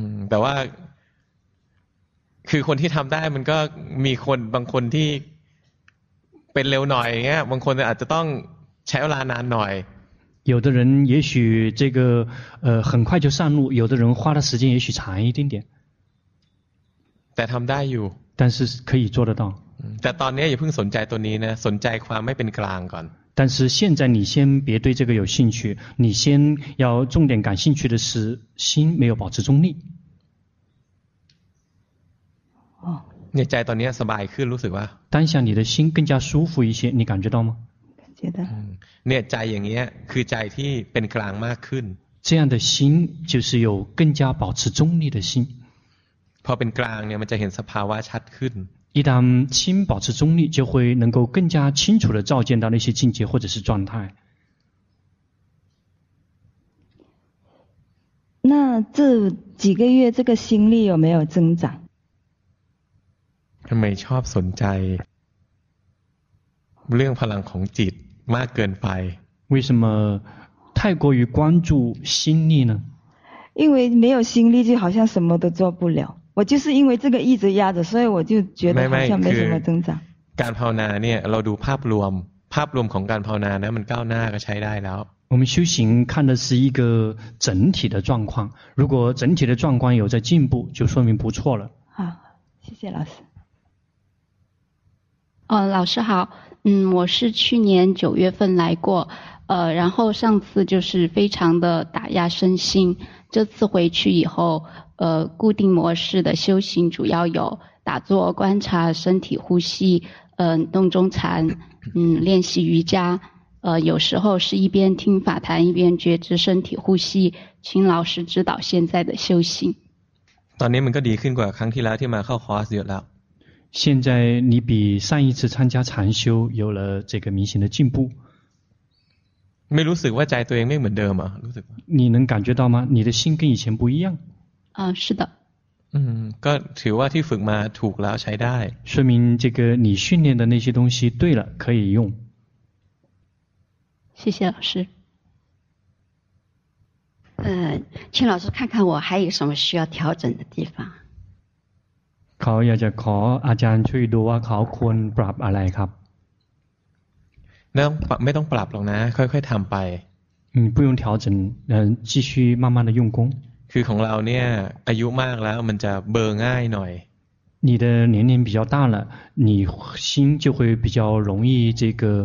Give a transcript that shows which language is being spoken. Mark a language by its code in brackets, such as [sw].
[th] แต่ว่าคือคนที่ทำได้มันก็มีคนบางคนที่เป็นเร็วหน่อยเงี้ยบางคนอาจจะต้องใช้เวลานานหน่อย [zh] 有的人也许这个很快就上路有的人花的时间也许长一点点 [th] แต่ทำได้อยู่ [zh] 但是可以做得到 [th] แต่ตอนนี้อย่าเพิ่งสนใจตัวนี้นะสนใจความไม่เป็นกลางก่อน [zh] 但是现在你先别对这个有兴趣你先要重点感兴趣的是心没有保持中立 [th] ในใจตอนนี้สบายขึ้นรู้สึกว่า [zh] 当下你的心更加舒服一些你感觉到吗感觉到 [th] เนี่ยใจอย่างเงี้ยคือใจที่เป็นกลางมากขึ้น [zh] 这样的心就是有更加保持中立的心 [th] พอเป็นกลางเนี่ยมันจะเห็นสภาวะชัดขึ้น [zh] 一旦心保持中立就会能够更加清楚地照见到那些境界或者是状态那这几个月这个心力有没有增长 [th] ทำไมชอบสนใจเรื่องพลังของจิตมากเกินไป [zh] 为什么太过于关注心力呢因为没有心力就好像什么都做不了我就是因为这个一直压着所以我就觉得好像没什么增长 [th] การภาวนาเนี่ยเราดูภาพรวมภาพรวมของการภาวนานะมันก้าวหน้าก็ใช้ได้แล้ว [zh] 我们修行看的是一个整体的状况如果整体的状况有在进步就说明不错了好谢谢老师老师好我是去年九月份来过然后上次就是非常的打压身心这次回去以后固定模式的修行主要有打坐观察身体呼吸洞中禅练习瑜伽有时候是一边听法谈一边觉知身体呼吸请老师指导现在的修行 [th] ตอนนี้มันก็ดีขึ้นกว่าครั้งที่แล้วที่มาเข้าคอร์สเยอะแล้ว [zh] 现在你比上一次参加禅修有了这个明显的进步 [th] ไม่รู้สึกว่าใจตัวเองไม่เหมือนเดิมอ่ะรู้สึก [zh] 你能感觉到吗你的心跟以前不一样是的 [th] ก็ถือว่าที่ฝึกมาถูกแล้วใช้ได้ [zh] 说明这个你训练的那些东西对了可以用谢谢老师请老师看看我还有什么需要调整的地方 [th] เขาอยากจะขออาจารย์ช่วยดูว่าเขาควรปรับอะไรครับ ไม่ต้องปรับหรอกนะค่อยๆทำไป [zh] 不用调整继续慢慢的用功 [th] คือของเราเนี่ยอายุมากแล้วมันจะเบอร์ง่ายหน่อย [zh] 你的年龄比较大了你心就会比较容易这个